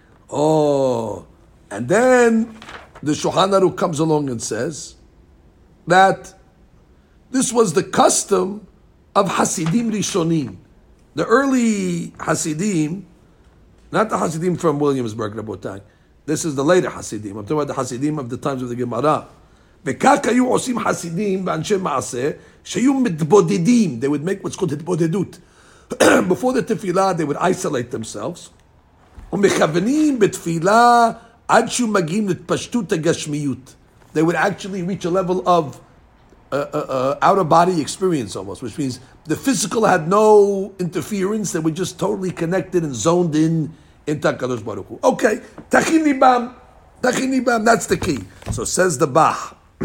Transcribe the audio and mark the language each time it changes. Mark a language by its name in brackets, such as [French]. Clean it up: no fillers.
[English] Oh. And then the Shulchan Aruch comes along and says that this was the custom of Hasidim Rishonim. The early Hasidim, not the Hasidim from Williamsburg, Rabotai. This is the later Hasidim. I'm talking about the Hasidim of the times of the Gemara. [Hebrew] וכך היו עושים חסידים ואנשי מעשה שהיו מתבודדים. [English] They would make what's called התבודדות. Before the tefila, they would isolate themselves. [Hebrew] ומכוונים בתפילה עד שהוא מגיעים לתפשטות הגשמיות. [English] They would actually reach a level of out-of-body experience almost, which means the physical had no interference. They were just totally connected and zoned in into HaKadosh Baruch Hu. Okay, [Hebrew] tachin libam. Tachin libam, [English] that's the key. So says the Bach.